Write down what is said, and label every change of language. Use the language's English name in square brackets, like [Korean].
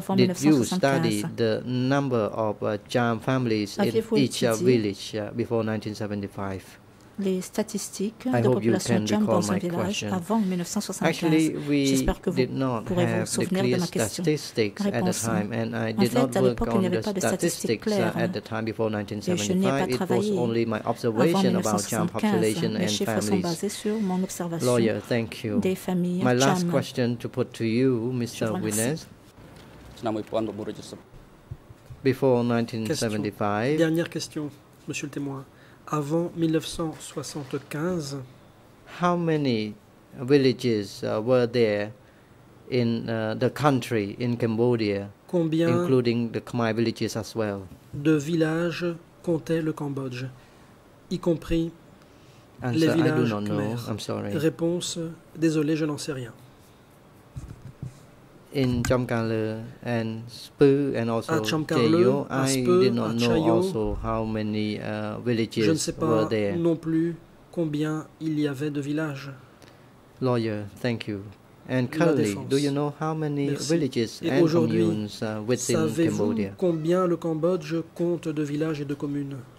[English] did you study the number of Cham families in each village before 1975? [French] Les statistiques de population Cham dans un village avant 1975. J'espère que vous pourrez vous souvenir de ma question. En fait, à l'époque, il n'y avait pas de statistiques claires. Et je n'y ai pas travaillé avant 1975. Mes chiffres sont basés sur mon observation [English] lawyer, thank you. [French] Des familles Cham. [English] My last question to put to you, Mr. Winnes. Before 1975. [French] Dernière question, Monsieur le témoin. Avant 1975, [English] how many villages were there in the country in Cambodia, including the Khmer villages as well? [French] De villages comptait le Cambodge, y compris les villages Khmer. Réponse, désolé, je n'en sais rien. [English] In Chamkalu and Spu and also Chayo, I did not know also how many villages were there. [French] Je ne sais pas non plus combien il y avait de villages. [English] Lawyer, thank you. And currently, do you know how many villages and communes within Cambodia? [French] Savez-vous combien le Cambodge compte de villages et de communes?